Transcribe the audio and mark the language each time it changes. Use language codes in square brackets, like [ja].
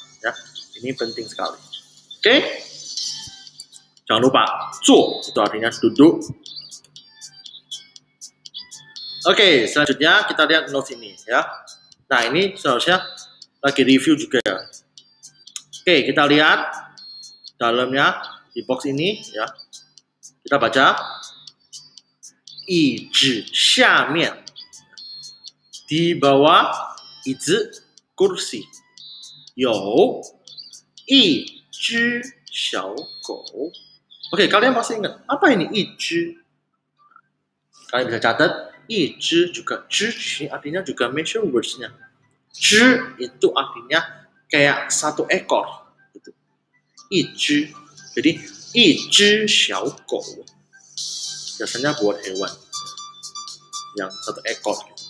[id] Ya, ini penting sekali. Oke? Okay? Jangan lupa, 坐, itu artinya duduk. Oke, selanjutnya kita lihat notes ini ya. Nah, ini seharusnya lagi review juga ya. Oke, kita lihat dalamnya di box ini ya. Kita baca. [zh] 椅子下面, di bawah 椅子, kursi, 有一只小狗. [id] Oke, kalian masih ingat apa ini 一只? Kalian bisa catat. 一只 juga 只, artinya juga measure words-nya. 只 itu artinya kayak satu ekor. 一只, jadi 一只小狗 biasanya buat hewan yang satu ekor.